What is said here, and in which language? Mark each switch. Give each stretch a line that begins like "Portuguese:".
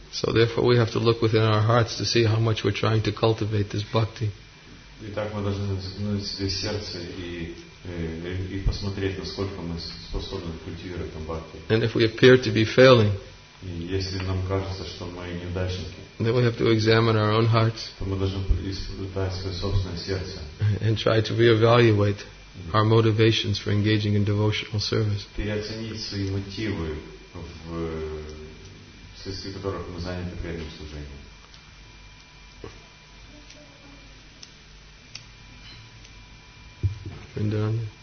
English: So therefore we have to look within our hearts to see how much we're trying to cultivate this bhakti.
Russian: Итак, мы должны взглянуть себе в сердце и посмотреть, насколько мы способны культивировать бхакти.
English: And if we appear to be failing,
Russian: если нам кажется, что мы неудачники,
English: then we have to examine our own hearts,
Russian: то мы должны испытать свое собственное сердце,
English: and try to reevaluate our motivations for engaging in devotional service.
Russian: Переоценить свои мотивы, в связи с которых мы заняты преданным служением. Вриндаване.